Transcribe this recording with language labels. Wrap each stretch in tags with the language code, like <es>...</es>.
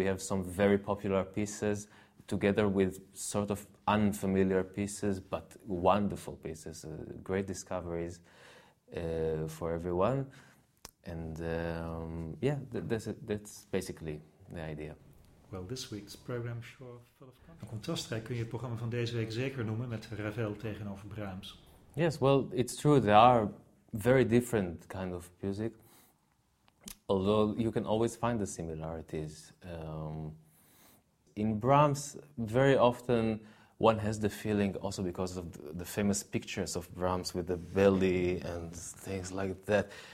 <en>We have some very popular pieces together with sort of unfamiliar pieces, but wonderful pieces, great discoveries for everyone. And that's basically the idea. Well, this week's program sure full of content.</en> <nl>Contrastrijk kun je het programma van deze week zeker noemen, met Ravel tegenover Brahms.</nl> <en>Yes, well, it's true. They are very different kind of music, although you can always find the similarities. In Brahms, very often one has the feeling, also because of the famous pictures of Brahms with the belly and things like that.</en>